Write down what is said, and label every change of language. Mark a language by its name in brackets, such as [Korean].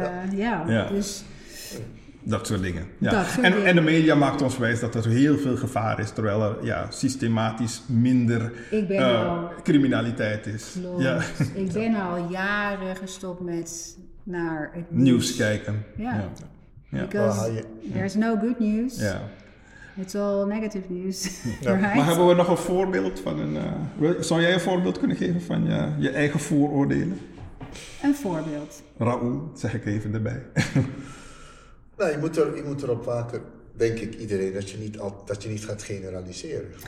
[Dutch] Discriminatie, dat soort dingen. Ja. Dat soort dingen. En de media maakt ons wijs dat er heel veel gevaar is, terwijl er systematisch minder criminaliteit is. Klopt. Ja. Ik ben al jaren gestopt met... naar het nieuws kijken. [English] Because there's no good news. Yeah. It's all negative news. Yeah. Right? [Dutch] Maar hebben we nog een voorbeeld van een... zou jij een voorbeeld kunnen geven van je eigen vooroordelen? Een voorbeeld. Raoul, zeg ik even erbij. Nou, je moet erop waken, denk ik, iedereen, dat je niet gaat generaliseren.